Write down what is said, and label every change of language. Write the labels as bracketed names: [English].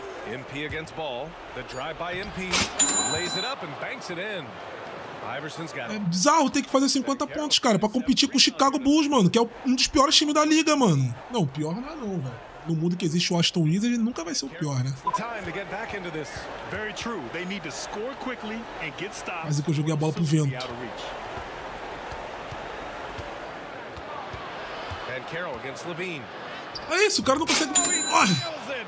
[English] MP against ball, the drive by MP, lays it up and banks it in. Iverson's got it. [Portuguese] É bizarro ter que fazer 50 pontos, cara, pra competir com o Chicago Bulls, mano, que é um dos piores times da liga, mano. Não, o pior não é não, velho. No mundo que existe o Washington Wizards, ele nunca vai ser o pior, né? [English] Time to get back into this. Very true. They need to score quickly and get stopped. [Portuguese] Quase que eu joguei a bola pro vento. [English] And Carroll against Levine. [Portuguese] É isso, o cara não consegue... Oh!